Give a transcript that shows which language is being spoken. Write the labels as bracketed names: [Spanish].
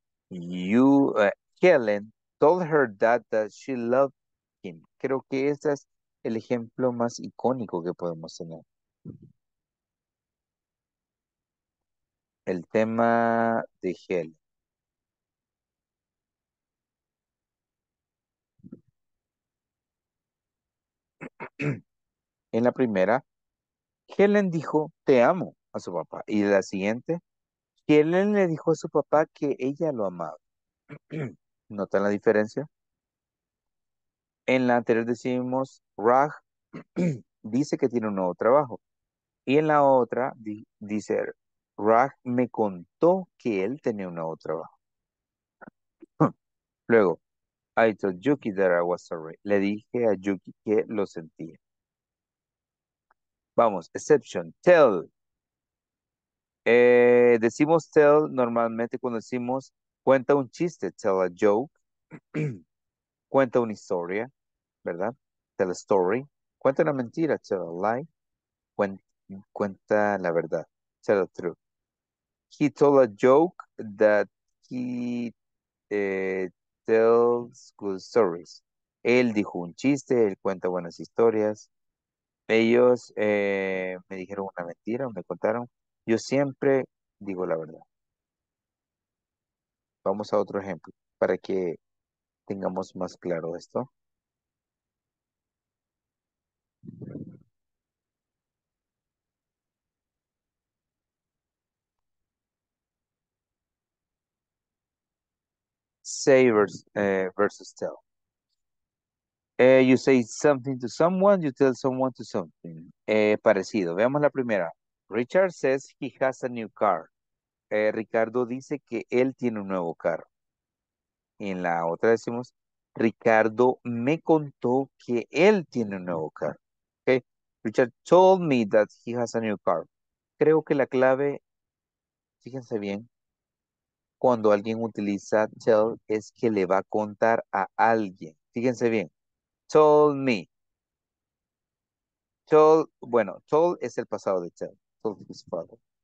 [English] Helen told her dad that she loved him. [Spanish] Creo que ese es el ejemplo más icónico que podemos tener. El tema de Helen. En la primera, Helen dijo, te amo, a su papá. Y la siguiente, Helen le dijo a su papá que ella lo amaba. ¿Notan la diferencia? En la anterior decimos, Raj dice que tiene un nuevo trabajo. Y en la otra, dice Raj me contó que él tenía un nuevo trabajo. Luego, [English] I told Yuki that I was sorry. [Spanish] Le dije a Yuki que lo sentía. Vamos, [English] exception, [Spanish] tell. Decimos tell normalmente cuando decimos cuenta un chiste, [English] tell a joke. [Spanish] Cuenta una historia, ¿verdad? [English] Tell a story. [Spanish] Cuenta una mentira, [English] tell a lie. [Spanish] Cuenta la verdad, [English] tell the truth. He told a joke that he tells good stories. [Spanish] Él dijo un chiste, él cuenta buenas historias. Ellos me dijeron una mentira, me contaron. Yo siempre digo la verdad. Vamos a otro ejemplo para que tengamos más claro esto. [English] Say versus tell. You say something to someone, you tell someone to something. [Spanish] Parecido. Veamos la primera. [English] Richard says he has a new car. [Spanish] Ricardo dice que él tiene un nuevo carro. En la otra decimos, Ricardo me contó que él tiene un nuevo carro. [English] Okay. Richard told me that he has a new car. [Spanish] Creo que la clave, fíjense bien, cuando alguien utiliza tell, es que le va a contar a alguien. Fíjense bien. [English] Told me. Told, [Spanish] bueno, [English] told [Spanish] es el pasado de [English] tell. Told his father.